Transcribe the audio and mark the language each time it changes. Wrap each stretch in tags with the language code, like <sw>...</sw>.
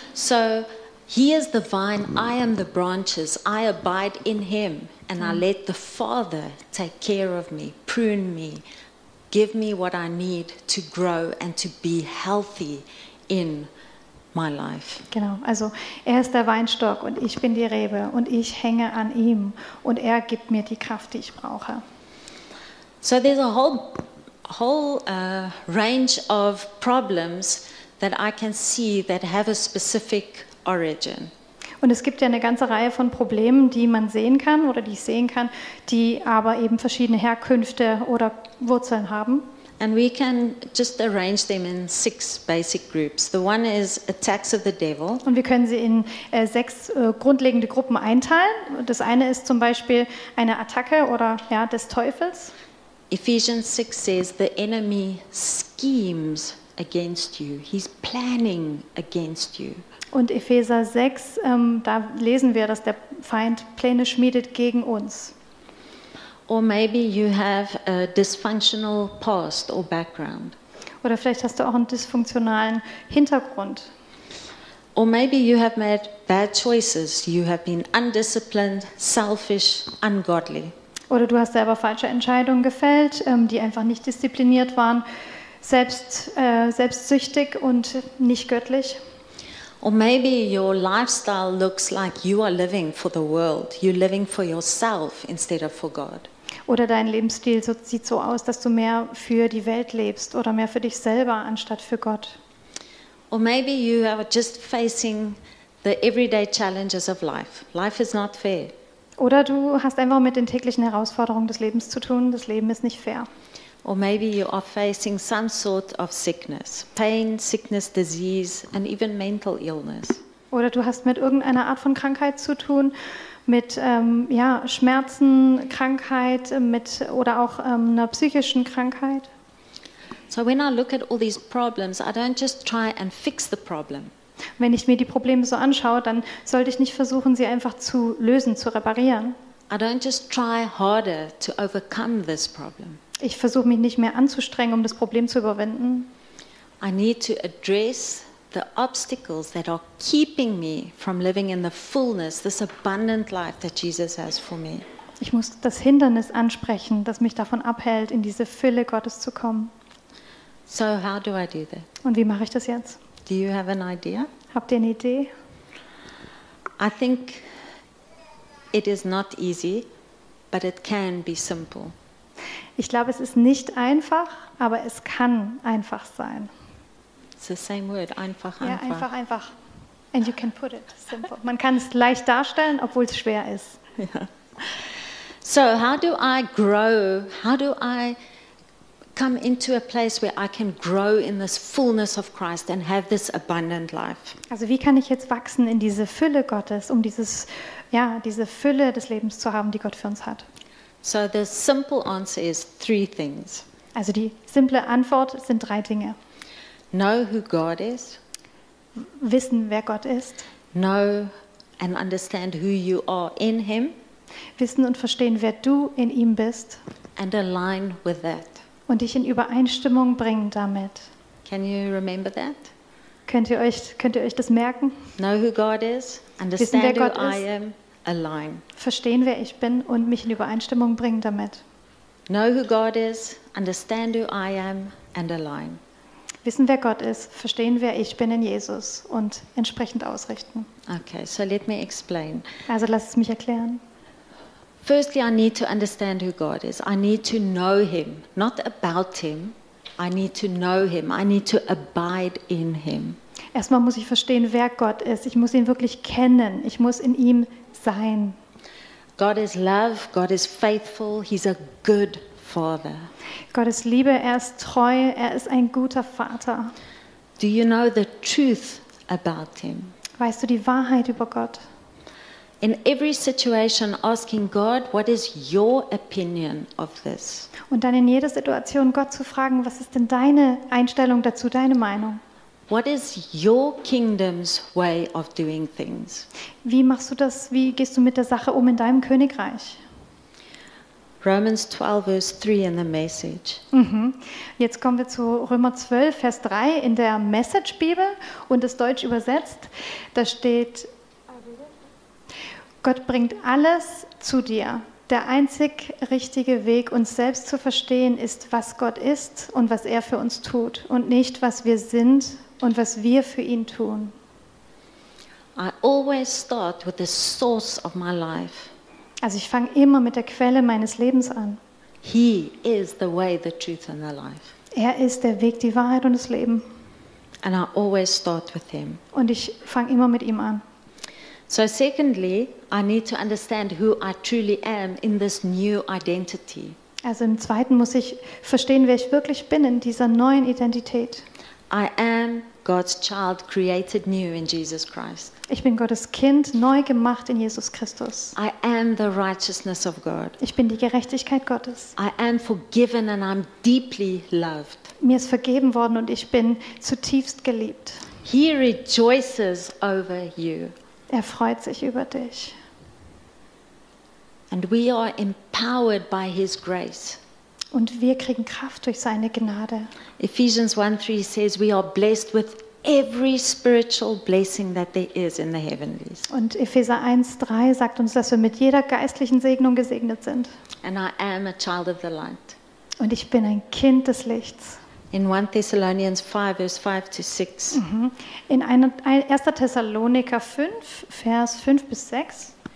<en>So, he is the vine, I am the branches. I abide in him and I let the Father take care of me, prune me, give me what I need to grow and to be healthy in my life.</en> <de>Genau, also er ist der Weinstock und ich bin die Rebe und ich hänge an ihm und er gibt mir die Kraft, die ich brauche.</de> <en>So there's a whole range of problems that I can see that have a specific origin.</en> <de>Und es gibt ja eine ganze Reihe von Problemen, die man sehen kann oder die ich sehen kann, die aber eben verschiedene Herkünfte oder Wurzeln haben.</de> <en>And we can just arrange them in six basic groups. The one is attacks of the devil.</en> <de>Und wir können sie in sechs grundlegende Gruppen einteilen. Das eine ist zum Beispiel eine Attacke oder ja des Teufels.</de> <en>Ephesians 6 says the enemy schemes against you. He's planning against you.</en> <de>Und Epheser 6, da lesen wir, dass der Feind Pläne schmiedet gegen uns.</de> <en>Or maybe you have a dysfunctional past or background.</en> <de>Oder vielleicht hast du auch einen dysfunktionalen Hintergrund.</de> <en>Or maybe you have made bad choices. You have been undisciplined, selfish, ungodly.</en> <de>Oder du hast selber falsche Entscheidungen gefällt, die einfach nicht diszipliniert waren, selbstsüchtig und nicht göttlich.</de> <en>Or maybe your lifestyle looks like you are living for the world. You're living for yourself instead of for God.</en> <de>Oder dein Lebensstil sieht so aus, dass du mehr für die Welt lebst oder mehr für dich selber anstatt für Gott.</de> <en>Or maybe you are just facing the everyday challenges of life. Life is not fair.</en> <de>Oder du hast einfach mit den täglichen Herausforderungen des Lebens zu tun. Das Leben ist nicht fair.</de> <en>Or maybe you are facing some sort of sickness, pain, sickness, disease, and even mental illness.</en> <de>Oder du hast mit irgendeiner Art von Krankheit zu tun, mit Schmerzen, Krankheit mit oder auch einer psychischen Krankheit.</de> <en>So when I look at all these problems, I don't just try and fix the problem.</en> <de>Wenn ich mir die Probleme so anschaue, dann sollte ich nicht versuchen, sie einfach zu lösen, zu reparieren.</de> <en>I don't just try harder to overcome this problem.</en> <de>Ich versuche mich nicht mehr anzustrengen, um das Problem zu überwinden.</de> <en>I need to address the obstacles that are keeping me from living in the fullness, this abundant life that Jesus has for me.</en> <de>Ich muss das Hindernis ansprechen, das mich davon abhält, in diese Fülle Gottes zu kommen.</de> <en>So how do I do that?</en> <de>Und wie mache ich das jetzt?</de> <en>Do you have an idea?</en> <de>Habt ihr eine Idee?</de> <en>I think it is not easy, but it can be simple.</en> <de>Ich glaube, es ist nicht einfach, aber es kann einfach sein.</de> <en>It's the same word, einfach,</en> <de>einfach. Ja, einfach, einfach.</de> <en>And you can put it simple.</en> <de>Man kann es leicht darstellen, obwohl es schwer ist.</de> <en>Yeah. So, how do I grow? How do I come into a place where I can grow in this fullness of Christ and have this abundant life?</en> <de>Also, wie kann ich jetzt wachsen in diese Fülle Gottes, um dieses, ja, diese Fülle des Lebens zu haben, die Gott für uns hat?</de> <en>So the simple answer is three things.</en> <de>Also die simple Antwort sind drei Dinge.</de> <en>Know who God is.</en> <de>Wissen, wer Gott ist.</de> <en>Know and understand who you are in him.</en> <de>Wissen und verstehen, wer du in ihm bist.</de> <en>And align with that.</en> <de>Und dich in Übereinstimmung bringen damit.</de> <en>Can you remember that?</en> <de>Könnt ihr euch das merken?</de> <en>Know who God is, understand who</en> <de>Gott</de> <en>I am. Align.</en> <de>Verstehen, wer ich bin und mich in Übereinstimmung bringen damit.</de> <en>Know who God is, understand who I am and align.</en> <de>Wissen, wer Gott ist, verstehen, wer ich bin in Jesus und entsprechend ausrichten.</de> <en>Okay, so let me explain.</en> <de>Also lass es mich erklären.</de> <en>Firstly, I need to understand who God is. I need to know him, not about him. I need to know him. I need to abide in him.</en> <de>Erstmal muss ich verstehen, wer Gott ist. Ich muss ihn wirklich kennen. Ich muss in ihm sein.</de> <en>God is love, God is faithful, he's a good father.</en> <de>Gott ist Liebe, er ist treu, er ist ein guter Vater.</de> <en>Do you know the truth about him?</en> <de>Weißt du die Wahrheit über Gott?</de> <en>In every situation asking God, what is your opinion of this?</en> <de>Und dann in jeder Situation Gott zu fragen, was ist denn deine Einstellung dazu, deine Meinung?</de> <en>What is your kingdom's way of doing things?</en> <de>Wie machst du das? Wie gehst du mit der Sache um in deinem Königreich?</de> <en>Romans 12, verse 3 in the Message.</en> <de>Jetzt kommen wir zu Römer 12, Vers 3 in der Message-Bibel und das Deutsch übersetzt. Da steht, Gott bringt alles zu dir. Der einzig richtige Weg, uns selbst zu verstehen, ist, was Gott ist und was er für uns tut und nicht, was wir sind und was wir für ihn tun.</de> <en>I always start with the source of my life.</en> <de>Also ich fange immer mit der Quelle meines Lebens an.</de> <en>He is the way, the truth and the life.</en> <de>Er ist der Weg, die Wahrheit und das Leben.</de> <en>And I always start with him.</en> <de>Und ich fange immer mit ihm an.</de> <en>So secondly, I need to understand who I truly am in this new identity.</en> <de>Also im zweiten muss ich verstehen, wer ich wirklich bin in dieser neuen Identität.</de> <en>I am God's child, created new in Jesus Christ.</en> <de>Ich bin Gottes Kind, neu gemacht in Jesus Christus.</de> <en>I am the righteousness of God.</en> <de>Ich bin die Gerechtigkeit Gottes.</de> <en>I am forgiven and I'm deeply loved.</en> <de>Mir ist vergeben worden und ich bin zutiefst geliebt.</de> <en>He rejoices over you.</en> <de>Er freut sich über dich.</de> <en>And we are empowered by his grace.</en> <de>Und wir kriegen Kraft durch seine Gnade.</de> <en>Ephesians 1:3 says we are blessed with every spiritual blessing that there is in the heavenlies.</en> <de>Und Epheser 1:3 sagt uns, dass wir mit jeder geistlichen Segnung gesegnet sind.</de> <en>And I am a child of the light.</en> <de>Und ich bin ein Kind des Lichts.</de> <en>In 1 Thessalonians 5 verse 5 to 6.</en> <de>In 1. Thessaloniker 5 Vers 5 bis 6.</de>